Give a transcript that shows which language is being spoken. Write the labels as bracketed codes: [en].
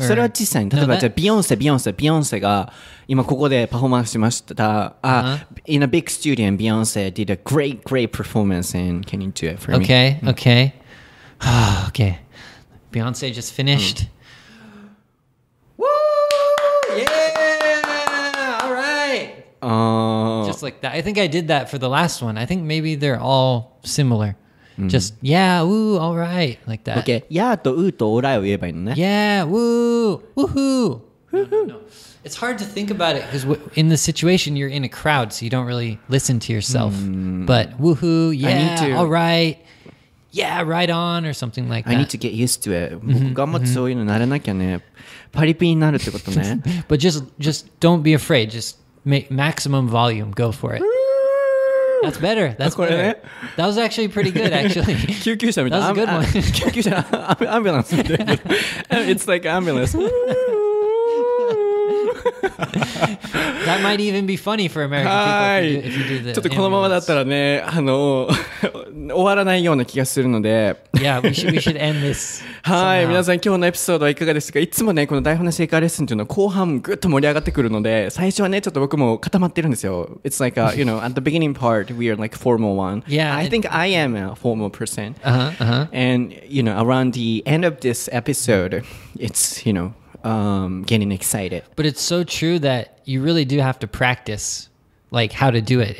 [ja] それは実際に。例えば、じゃあ、ビヨンセが今ここでパフォーマンスしました。 [en] In a big studio, and Beyonce did a great, great performance, and can you do it for me? Okay, okay. Okay. Beyonce just finished. Woo! Yeah! All right! Just like that. I think I did that for the last one. I think maybe they're all similar. Just, yeah, woo, all right, like that. Okay, yeah [ja] と woo とオーライを言えばいいのね。 [en] Yeah, woo, woohoo. No. It's hard to think about it because in the situation, you're in a crowd, so you don't really listen to yourself. But woohoo, yeah, all right, yeah, right on, or something like that. I need to get used to it. [ja] 頑張ってそういうのになれなきゃね。パリピになるってことね。 [en] But just don't be afraid. Just make maximum volume. Go for it. That's better. That's better.、 [ja] ね、 [en] that was actually pretty good, actually. [ja] 救急車みたいな。 [en] That was a good one. [ja] 救急車、 [en] ambulance [ja] みたいな。 [en] It's like ambulance. That might even be funny for American people if you do this. [ja] ちょっとこのままだったらね、終わらないような気がするので。 [en] Yeah, we should end this. [ja] はい、皆さん今日のエピソードはいかがでしたか。いつもね、この台本なし英会話レッスンというのは後半ぐっと盛り上がってくるので、最初はね、ちょっと僕も固まってるんですよ。 [en] It's like, you know, at the beginning part, we are like formal one. Yeah. I think I am a formal person. Uh-huh. And, you know, around the end of this episode, it's, you know,getting excited. But it's so true that you really do have to practice like how to do it.